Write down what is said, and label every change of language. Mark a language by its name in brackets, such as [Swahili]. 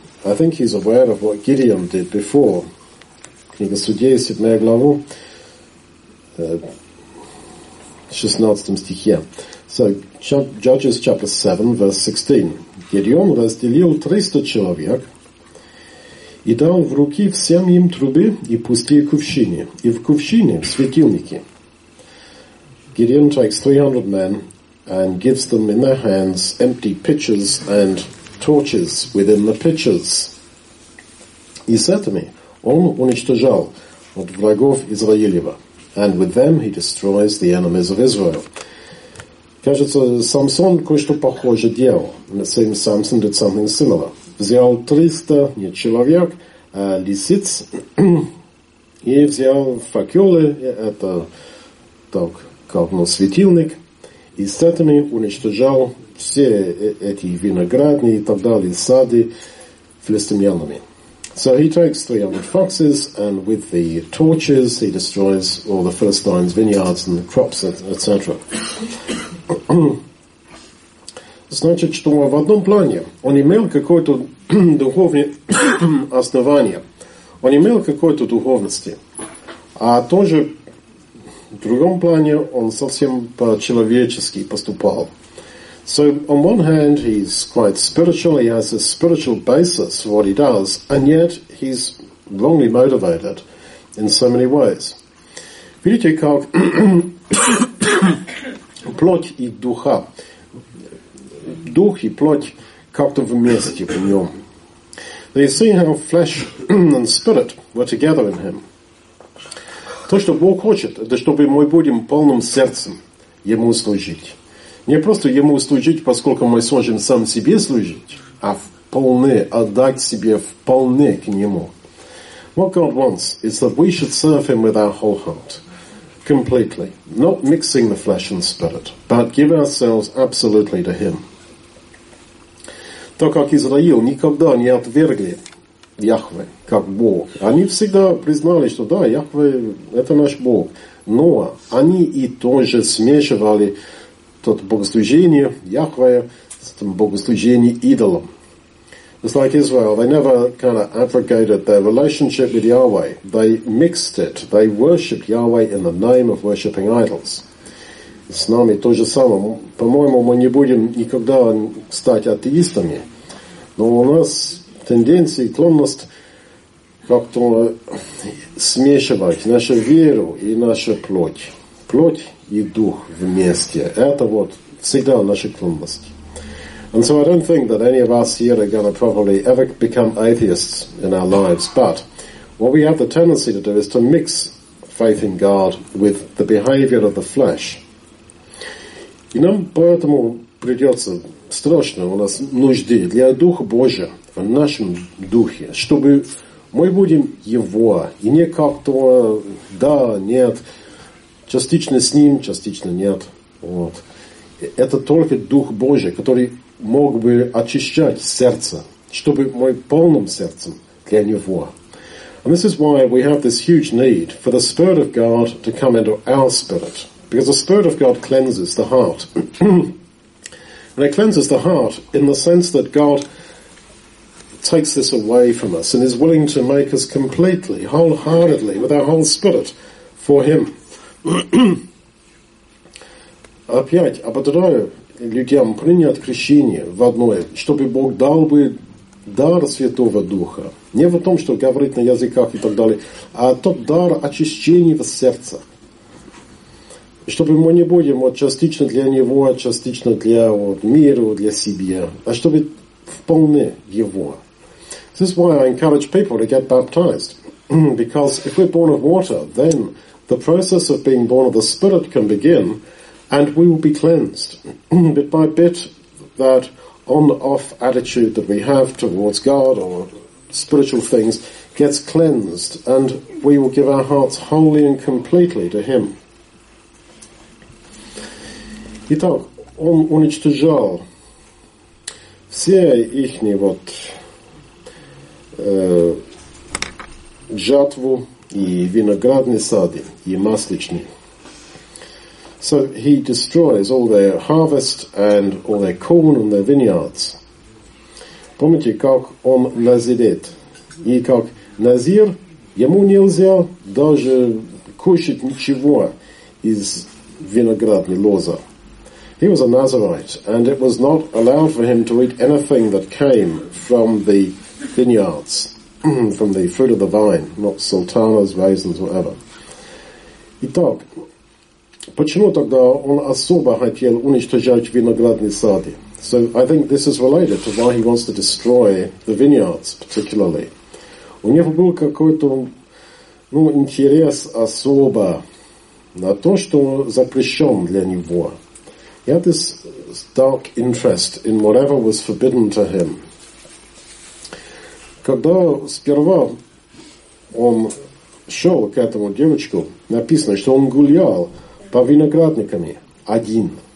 [English] I think he's aware of what Gideon did before. [Russian] Книга Судей, 7 главу. 16 стихе. [English] So, Judges chapter 7, verse 16. [Russian] Гедеон разделил 300 человек и дал в руки всем им трубы и пустые кувшины. И в кувшине светильники. [English] Gideon takes 300 men and gives them in their hands empty pitchers and torches within the pitchers. [Russian] И с этими он уничтожал от врагов Израилева. [English] And with them he destroys the enemies of Israel. [Russian] Кажется, Самсон кое-что похоже делал. [English] And it seems Samson did something similar. [Russian] Взял 300, не человек, а лисиц. И взял факелы, это так, как ну, светильник. И с этими уничтожал все эти виноградные и так далее, сады филистимлянами. [English] So he takes 300 foxes, and with the torches, he destroys all the Philistines' vineyards and the crops, etc. [Russian] Значит, что в одном плане он имел какое-то духовное основание, он имел какое-то духовности, а тоже в другом плане он совсем по-человечески поступал. [English] So, on one hand, he's quite spiritual, he has a spiritual basis for what he does, and yet he's wrongly motivated in so many ways. [Russian] Видите, как плоть и духа, дух и плоть как-то вместе в нем. [English] They see how flesh and spirit were together in him. [Russian] То, что Бог хочет, это чтобы мы будем полным сердцем ему служить. Не просто ему служить, поскольку мы сможем сам себе служить, а вполне отдать себе вполне к нему. [English] What God wants is that we should serve him with our whole heart, completely, not mixing the flesh and spirit, but give ourselves absolutely to him. [Russian] Так как Израил никогда не отвергли Яхве как Бог, они всегда признали, что да, Яхве это наш Бог, но они и тоже смешивали тот богослужение Яхве с тем богослужением идолом. [English] It's like Israel. They never kind of abrogated their relationship with Yahweh. They mixed it. They worshipped Yahweh in the name of worshipping idols. [Russian] С нами то же самое. По-моему, мы не будем никогда стать атеистами. Но у нас тенденция и склонность как-то смешивать нашу веру и нашу плоть. Плоть и дух вместе. Это вот всегда наша склонность. [English] And so I don't think that any of us here are going to probably ever become atheists in our lives, but what we have the tendency to do is to mix faith in God with the behavior of the flesh. [Russian] И нам поэтому придется страшно, у нас нужды для Духа Божия в нашем духе, чтобы мы будем Его, и не как-то да, нет, частично с ним, частично нет. Вот. Это только Дух Божий, который мог бы очищать сердце, чтобы мы полным сердцем для Него. [English] And this is why we have this huge need for the Spirit of God to come into our spirit. Because the Spirit of God cleanses the heart. And it cleanses the heart in the sense that God takes this away from us and is willing to make us completely, wholeheartedly, with our whole spirit, for Him. [Russian] Опять ободряю людям принять крещение в одное, чтобы Бог дал бы дар Святого Духа. Не в том, что говорить на языках и так далее, а тот дар очищения в сердце. Чтобы мы не будем вот, частично для Него, а частично для вот, мира, для себя, а чтобы вполне Его. [English] This is why I encourage people to get baptized. Because if we're born of water, then the process of being born of the Spirit can begin and we will be cleansed. Bit by bit, that on-off attitude that we have towards God or spiritual things gets cleansed and we will give our hearts wholly and completely to Him. [Russian] Итак, Он уничтожал все их вот, жатву и виноградные сады и масличные. [English] So He destroys all their harvest and all their corn and their vineyards. [Russian] Помните, как Он назидает? И как Назир, ему нельзя даже кушать ничего из виноградной лозы. [English] He was a Nazarite, and it was not allowed for him to eat anything that came from the vineyards, from the fruit of the vine, not sultanas, raisins, whatever. [Russian] Итак, почему тогда он особо хотел уничтожать виноградные сады? [English] So I think this is related to why he wants to destroy the vineyards particularly. [Russian] У него был какой-то, ну, интерес особо на то, что запрещен для него. [English] He had this dark interest in whatever was forbidden to him. [Russian] Когда сперва он шел к этому девочку, написано, что он гулял по виноградникам один.